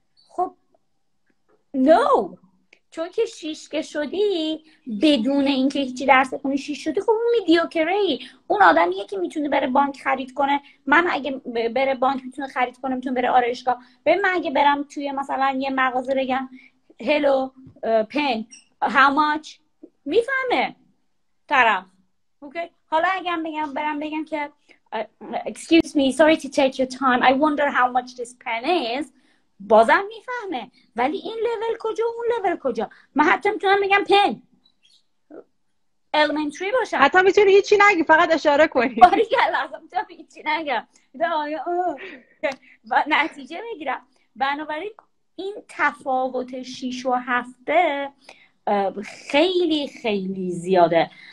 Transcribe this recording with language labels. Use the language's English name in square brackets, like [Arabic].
[Persian] خب نو no. چون که 6 که شدی بدون اینکه هیچی درس بخونی 6 شدی، خب اون میدیوکره ای. اون آدمیه که میتونه بره بانک خرید کنه. من اگه بره بانک میتونه خرید کنه، میتونه بره آرایشگاه. ببین من اگه برم توی مثلا یه مغازه بگم هلو پن هاو ماچ، میفهمه طرف. اوکی حالا اگه بگم برم بگم که [English] excuse me sorry to take your time I wonder how much this pen is، [Persian] بازم میفهمه. ولی این لول کجا و اون لول کجا؟ من حتی میتونم بگم پن elementary باشم، حتی میتونی هیچی نگی فقط اشاره کنی، باری که لازم تو هیچی نگم و نتیجه بگیرم. بنابراین این تفاوت 6 و 7 خیلی خیلی زیاده.